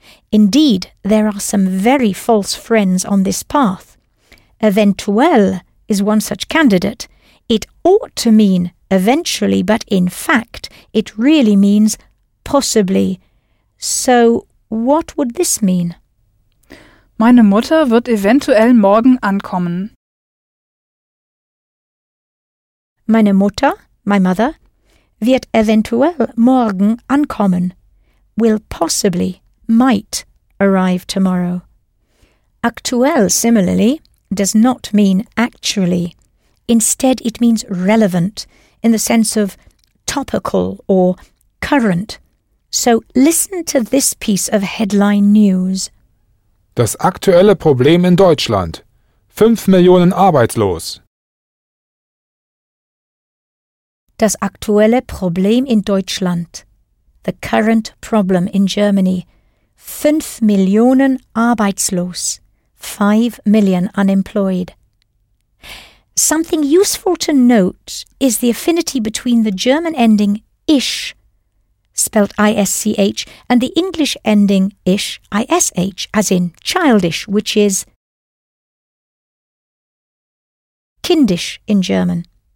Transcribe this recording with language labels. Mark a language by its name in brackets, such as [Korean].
[English] Indeed, there are some very false friends on this path. Eventuell is one such candidate. It ought to mean eventually, but in fact, it really means possibly. So, what would this mean? [German] Meine Mutter wird eventuell morgen ankommen. Meine Mutter, [English] my mother, [German] wird eventuell morgen ankommen. [English] Will possibly, might, arrive tomorrow. Aktuell, similarly, does not mean actually. Instead, it means relevant, in the sense of topical or current. So listen to this piece of headline news. [German] Das aktuelle Problem in Deutschland. 5 Millionen arbeitslos. Das aktuelle Problem in Deutschland. [English] The current problem in Germany. [German] 5 Millionen arbeitslos. [English] 5 million unemployed. Something useful to note is the affinity between the German ending ish, spelt I-S-C-H, and the English ending ish, I-S-H, as in childish, which is kindisch in German.